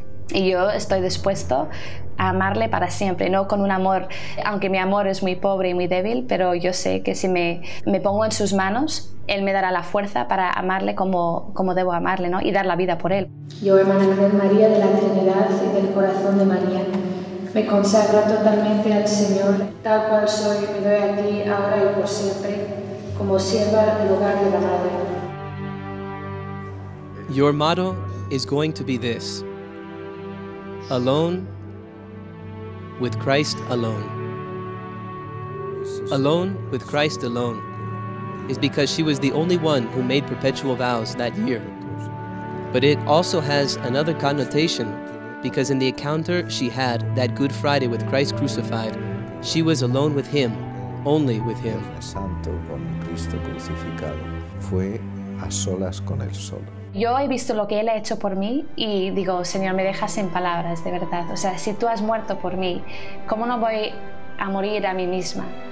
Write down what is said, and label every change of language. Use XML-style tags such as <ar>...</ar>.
<es>Y yo estoy dispuesto a amarle para siempre, no con un amor, aunque mi amor es muy pobre y muy débil, pero yo sé que si me pongo en sus manos, él me dará la fuerza para amarle como debo amarle, ¿no? Y dar la vida por él. Yo, Emanuel María de la Trinidad y del corazón de María, me consagro totalmente al Señor, tal cual soy, me doy a ti ahora y por siempre, como sierva del hogar de la Madre.</es> <en>Your motto is going to be this: alone with Christ alone. Alone with Christ alone is because she was the only one who made perpetual vows that year. But it also has another connotation, because in the encounter she had that Good Friday with Christ crucified, she was alone with Him, only with Him.</en> <es>Santo con Cristo crucificado fue a solas con el sol. Yo he visto lo que Él ha hecho por mí y digo, Señor, me dejas sin palabras, de verdad. O sea, si Tú has muerto por mí, ¿cómo no voy a morir a mí misma?</es>